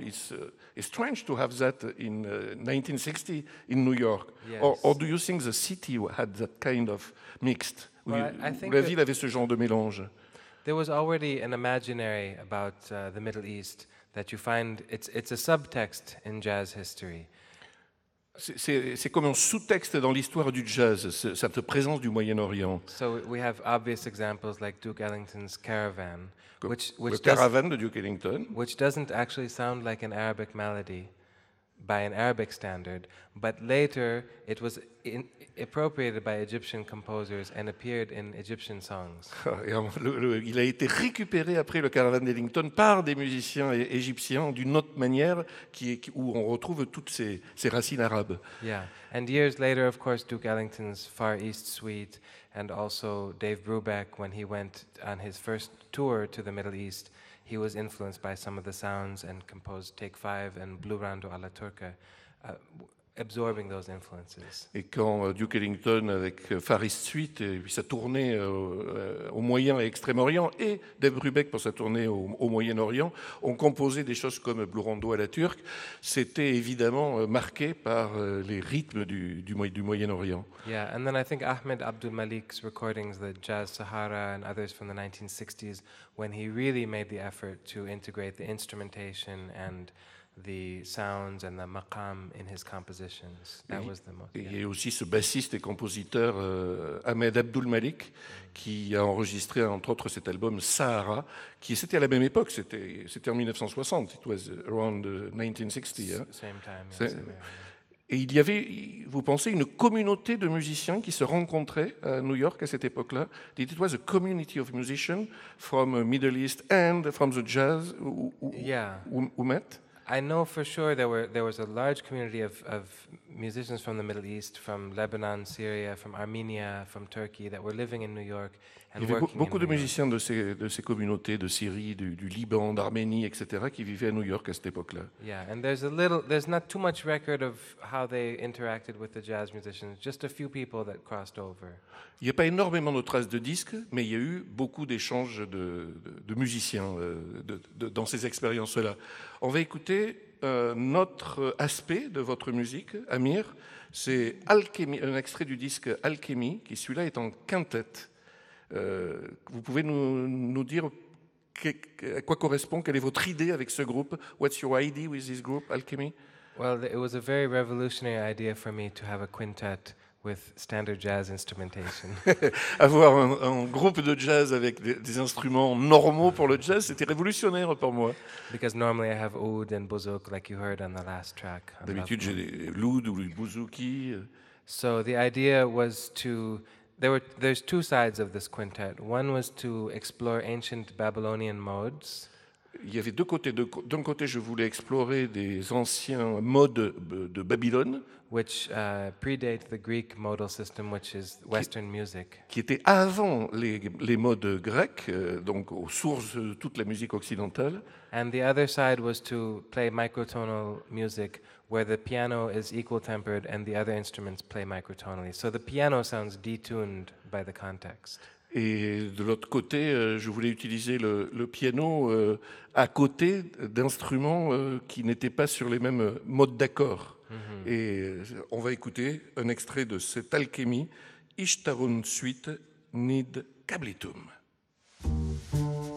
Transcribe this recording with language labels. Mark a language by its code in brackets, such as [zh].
[en] It's strange to have that in 1960 in New York. Yes. Or do you think the city had that kind of mixed? [fr] La ville avait ce genre de mélange. [en] There was already an imaginary about the Middle East that you find. It's a subtext in jazz history. [fr] C'est comme un sous-texte dans l'histoire du jazz, cette présence du Moyen-Orient. [en] So we have obvious examples like Duke Ellington's Caravan, [fr] which le caravane de Duke Ellington, [en] which doesn't actually sound like an Arabic melody by an Arabic standard, but later it was appropriated by Egyptian composers and appeared in Egyptian songs. [fr] Il a été récupéré après le caravane d'Ellington par des musiciens égyptiens d'une autre manière où on retrouve toutes ces racines arabes. [en] Yeah, and years later, of course, Duke Ellington's Far East Suite, and also Dave Brubeck, when he went on his first tour to the Middle East, he was influenced by some of the sounds and composed Take Five and Blue Rondo alla Turca, absorbing those influences. [fr] Et quand Duke Ellington avec Far East Suite et puis sa tournée au Moyen et Extrême-Orient et Dave Brubeck pour sa tournée au Moyen-Orient ont composé des choses comme Blue Rondo à la Turque, c'était évidemment marqué par les rythmes du Moyen-Orient. [en] Yeah, and then I think Ahmed Abdul Malik's recordings, the Jazz Sahara and others from the 1960s, when he really made the effort to integrate the instrumentation and the sounds and the maqam in his compositions. That was the most. [fr] Il y a aussi ce bassiste et compositeur Ahmed Abdul Malik qui a enregistré entre autres cet album Sahara, qui c'était à la même époque, c'était en 1960. [en] It was around 1960. Same time. Yeah, [fr] et il y avait, vous pensez, une communauté de musiciens qui se rencontraient à New York à cette époque-là. [en] It was a community of musicians from Middle East and from the jazz. Yeah. I know for sure there was a large community of musicians from the Middle East, from Lebanon, Syria, from Armenia, from Turkey, that were living in New York and working in New York. [fr] Il y avait beaucoup de musiciens de ces communautés de Syrie, du Liban, d'Arménie, etc., qui vivaient à New York à cette époque-là. [en] Yeah, and there's not too much record of how they interacted with the jazz musicians. Just a few people that crossed over. [fr] Il n'y a pas énormément de traces de disques, mais il y a eu beaucoup d'échanges de musiciens dans ces expériences-là. On va écouter un autre aspect de votre musique, Amir. C'est Alchemy, un extrait du disque Alchemy, qui celui-là est en quintette. Vous pouvez nous dire à quoi correspond, quelle est votre idée avec ce groupe? [en] What's your idea with this group, Alchemy? Well, it was a very revolutionary idea for me to have a quintet with standard jazz instrumentation. [fr] Avoir un groupe de jazz avec des instruments normaux pour le jazz, c'était révolutionnaire pour moi. [en] Because normally I have oud and bouzouk, like you heard on the last track. [fr] D'habitude, j'ai l'oud ou le bouzouki. [en] So the idea was to there's two sides of this quintet. One was to explore ancient Babylonian modes. [fr] Il y avait deux côtés. D'un côté, je voulais explorer des anciens modes de Babylone, [en] which predate the Greek modal system, which is Western music. [fr] Qui était avant les modes grecs, donc aux sources de toute la musique occidentale. [en] And the other side was to play microtonal music, where the piano is equal tempered and the other instruments play microtonally. So the piano sounds detuned by the context. [fr] Et de l'autre côté, je voulais utiliser le piano à côté d'instruments qui n'étaient pas sur les mêmes modes d'accord. Mm-hmm. Et on va écouter un extrait de cette alchémie, Ishtarun Suite Nid Kablitum. Mm-hmm.